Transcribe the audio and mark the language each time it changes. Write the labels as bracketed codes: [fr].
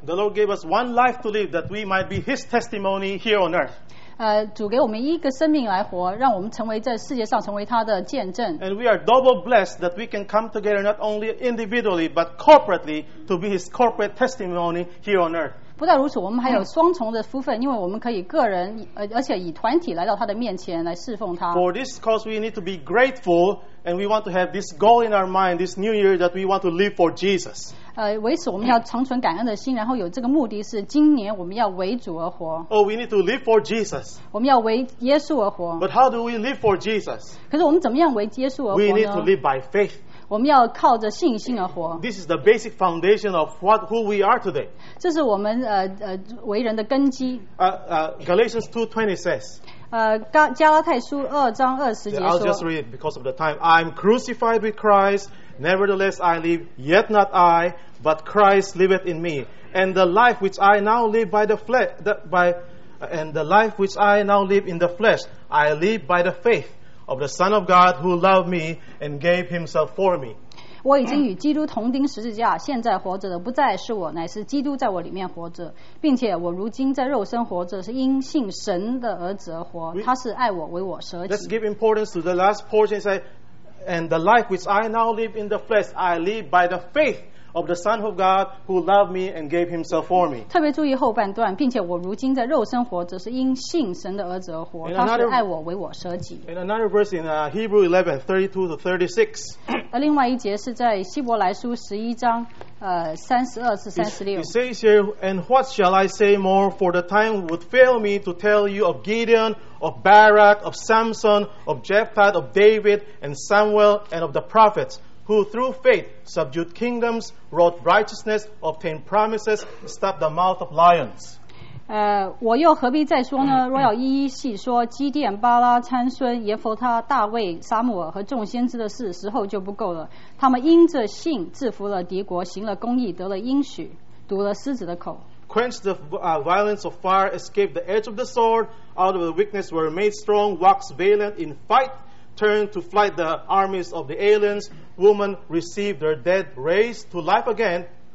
[en] The Lord gave us one life to live that we might be His testimony here on earth. [zh] 主给我们一个生命来活，让我们成为在世界上成为他的见证。 [en] And we are double blessed that we can come together not only individually but corporately to be His corporate testimony here on earth. [zh] 不但如此，我们还有双重的福分，因为我们可以个人，而且以团体来到他的面前来侍奉他。 [en] For this cause, we need to be grateful, and we want to have this goal in our mind this new year that we want to live for Jesus. [zh] 为此，我们要长存感恩的心，然后有这个目的是今年我们要为主而活。 [en] Oh, we need to live for Jesus. [zh] 我们要为耶稣而活。 [en] But how do we live for Jesus? [zh] 可是我们怎么样为耶稣而活呢？ [en] We need to live by faith. [zh] 我们要靠着信心而活。 [en] This is the basic foundation of who we are today. [zh] 这是我们为人的根基。 [en] Galatians 2:20 says. [zh] 加拉太书二章二十节说。 [en] I'll just read it because of the time. I'm crucified with Christ. Nevertheless, I live, yet not I, but Christ liveth in me. And the life which I now live by the flesh, I live by the faith. Of the Son of God who loved me and gave Himself for me. [zh] 我已经与基督同钉十字架，现在活着的不再是我，乃是基督在我里面活着，并且我如今在肉身活着，是因信神的儿子而活。他是爱我，为我舍己。 [en] Let's give importance to the last portion. Say, and the life which I now live in the flesh, I live by the faith. Of the Son of God who loved me and gave Himself for me. [zh] 特别注意后半段，并且我如今在肉身活着，是因信神的儿子而活。他是爱我，为我舍己。 [en] In another verse in Hebrews 11:32-36. [zh] 另外一节是在希伯来书十一章32-36. [en] It says here, and what shall I say more? For the time would fail me to tell you of Gideon, of Barak, of Samson, of Jephthah, of David, and Samuel, and of the prophets. Who through faith subdued kingdoms, wrought righteousness, obtained promises, stopped the mouth of lions. [zh] 我又何必再说呢？若要一一细说基甸、巴拉、参孙、耶弗他、大卫、撒母耳和众先知的事，时候就不够了。他们因着信制服了敌国，行了公义，得了应许，堵了狮子的口。 [en] Quenched the violence of fire, escaped the edge of the sword, out of the weakness were made strong, waxed valiant in fight. Turned to flight the armies of the aliens, women received their dead raised to life again.